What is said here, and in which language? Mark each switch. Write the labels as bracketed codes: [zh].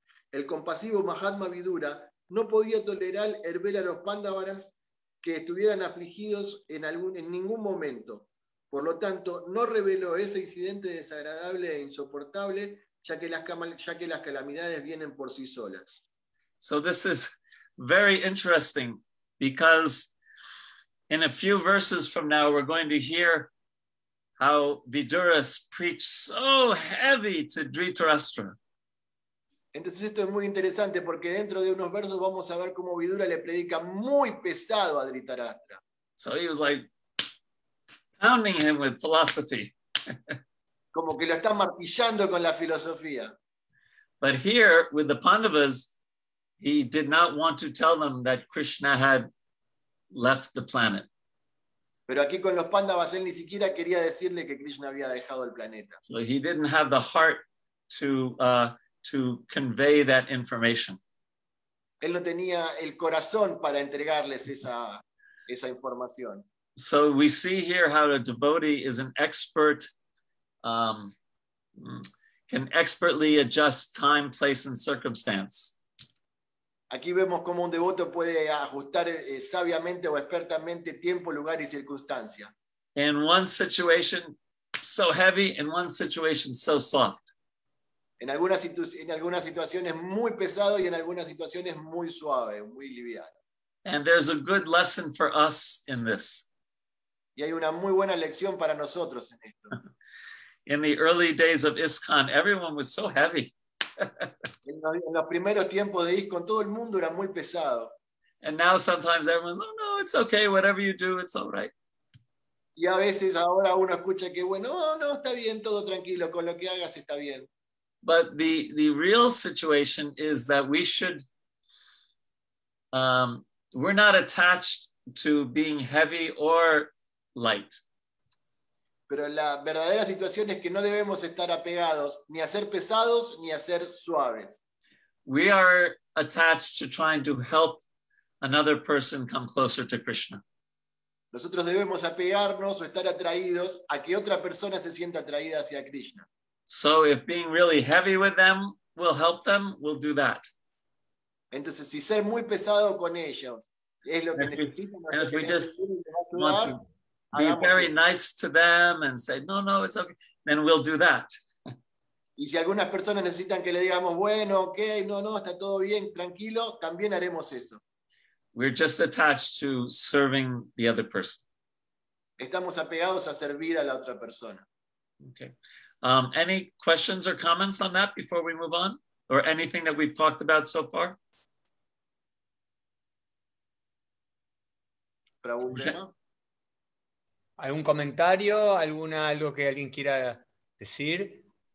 [es] El compasivo Mahatma Vidura no podía tolerar el ver a los Pandavas que estuvieran afligidos en ningún momento. Por lo tanto, no reveló ese incidente desagradable e insoportable, ya que las calamidades vienen por sí solas. [en] So this is very interesting, because in a few verses from now we're going to hear how Vidura preached so heavy to Dhritarashtra. [es] Entonces esto es muy interesante, porque dentro de unos versos vamos a ver cómo Vidura le predica muy pesado a Dhritarashtra. [en] So he was like pounding him with philosophy. [es] Como que lo está martillando con la filosofía. [en] But here with the Pandavas, he did not want to tell them that Krishna had left the planet. [es] Pero aquí con los Pandavas él ni siquiera quería decirle que Krishna había dejado el planeta. [en] So he didn't have the heart to convey that information. [es] Él no tenía el corazón para entregarles esa información. [en] So we see here how a devotee is an expert, can expertly adjust time, place, and circumstance. [es] Aquí vemos cómo un devoto puede ajustar sabiamente o expertamente tiempo, lugar y circunstancia. [en] In one situation, so heavy, in one situation, so soft. [es] En algunas situaciones muy pesado y en algunas situaciones muy suave, muy liviano. [en] And there's a good lesson for us in this. [es] Y hay una muy buena lección para nosotros en esto. [en] In the early days of ISKCON, everyone was so heavy. [es] En los primeros tiempos de ISKCON, todo el mundo era muy pesado. [en] And now sometimes everyone's, oh no, it's okay, whatever you do, it's all right. [es] Y a veces ahora uno escucha que, bueno, oh, no, está bien, todo tranquilo, con lo que hagas está bien. [en] But the real situation is that we should, we're not attached to being heavy or light. [es] Pero la verdadera situación es que no debemos estar apegados ni a ser pesados ni a ser suaves. [en] We are attached to trying to help another person come closer to Krishna. [es] Nosotros debemos apegarnos o estar atraídos a que otra persona se sienta atraída hacia Krishna. [en] So if being really heavy with them will help them, we'll do that. [es] Entonces, si ser muy pesado con ellos es lo que necesitan, [en] be very nice to them and say, no, no, it's okay, then we'll do that. [es] Y si algunas personas necesitan que le digamos, bueno, okay, no, no, está todo bien, tranquilo, también haremos eso. [en] We're just attached to serving the other person. [es] Estamos apegados a servir a la otra persona. [en] Okay. Any questions or comments on that before we move on? Or anything that we've talked about so far? [es] ¿Pregunta? ¿Algún comentario? ¿Algo que alguien quiera decir?